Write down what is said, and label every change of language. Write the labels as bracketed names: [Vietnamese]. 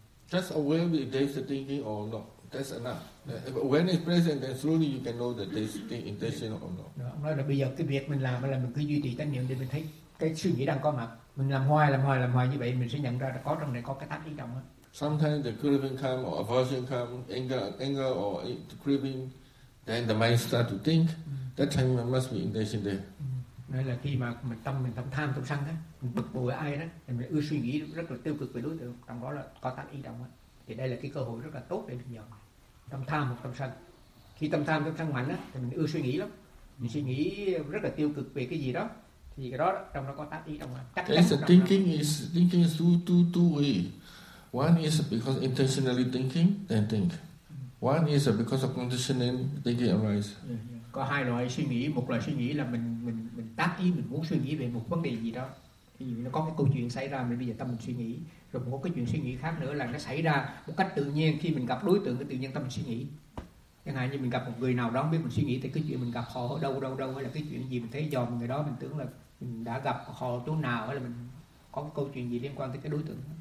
[English] Just aware if there's a thinking or not. That's enough. When it's present, then slowly you can know that there's the intention or not. [Vietnamese] Ông nói là bây giờ cái việc mình làm là mình cứ duy trì tánh niệm để mình thấy cái suy nghĩ đang có mặt. Mình làm hoài như vậy, mình sẽ nhận ra là có trong này có cái tác ý trong đó. [English] Sometimes the craving comes or aversion comes, anger or the craving, then the mind starts to think. That time there must be intention there. Nên là khi mà mình tâm tham tâm sân á, mình bực bội ai đó thì mình ưa suy nghĩ rất là tiêu cực về đối tượng, trong đó là có tác ý động á, thì đây là cái cơ hội rất là tốt để mình nhận tâm tham hoặc tâm sân. Khi tâm tham tâm sân mạnh á thì mình ưa suy nghĩ lắm, mình suy nghĩ rất là tiêu cực về cái gì đó, thì cái đó trong đó có tác ý động á. Thinking is two way. One is because intentionally thinking then think. One is because of conditioning thinking arise. Yeah. [Vietnamese] Có hai loại suy nghĩ, một loại suy nghĩ là mình tác ý, mình muốn suy nghĩ về một vấn đề gì đó. Ví dụ nó có cái câu chuyện xảy ra mình bây giờ tâm mình suy nghĩ, rồi một cái chuyện suy nghĩ khác nữa là nó xảy ra một cách tự nhiên khi mình gặp đối tượng cái tự nhiên tâm mình suy nghĩ. Chẳng hạn như mình gặp một người nào đó biết mình suy nghĩ thì cái chuyện mình gặp họ ở đâu hay là cái chuyện gì mình thấy dòm người đó, mình tưởng là mình đã gặp họ chỗ nào hay là mình có cái câu chuyện gì liên quan tới cái đối tượng.